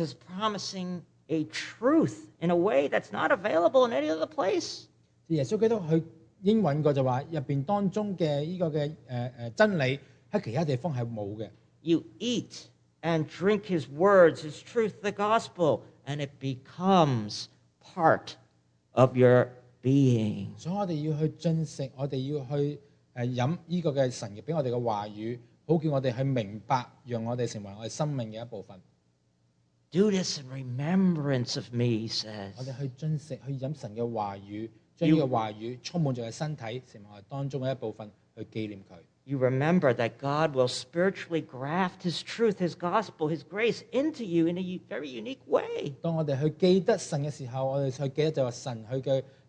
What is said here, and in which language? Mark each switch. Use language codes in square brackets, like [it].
[en] is promising a truth in a way that's not available in any other place. [zh] 耶穌基督他英文過就說,裡面當中的真理,在其他地方是沒有的。 [en] You eat and drink his words, his truth, the gospel, and it becomes part of your being. [zh] 所以我們要去進食,我們要去飲這個神給我們的話語,好叫我們去明白,讓我們成為我們生命的一部分。 [en] Do this in remembrance of me, he says. [zh] 我們去進食,去飲神的話語,將這個話語充滿在身體,成為我們當中的一部分,去紀念祂。 [en] You remember that God will spiritually graft his truth, his gospel, his grace into you in a very unique way. [zh] 當我們去記得神的時候,我們去記得就是神去的